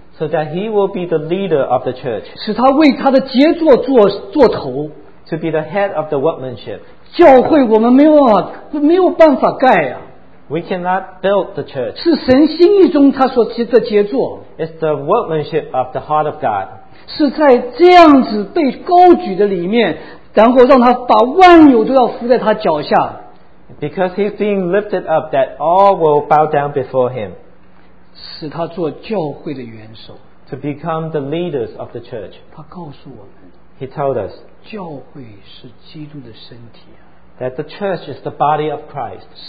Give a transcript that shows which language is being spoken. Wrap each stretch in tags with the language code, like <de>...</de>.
<en>So that he will be the leader of the church.</en> <zh>使他为他的杰作做头。</zh> <en>To be the head of the workmanship.</en> <zh>教会我们没有办法盖啊。</zh> <en>We cannot build the church.</en> <zh>是神心意中他所的杰作。</zh> <en>It's the workmanship of the heart of God.</en> <zh>是在这样子被高举的里面。然后让他把万有都要伏在他脚下。</zh> <en>Because he's being lifted up, that all will bow down before him.</en> <zh>使他做教会的元首。</zh> <en>To become the leaders of the church.</en> <zh>他告诉我们。</zh> <en>He told us.</en> <zh>教会是基督的身体。</zh> <en>That the church is the body of Christ.</en>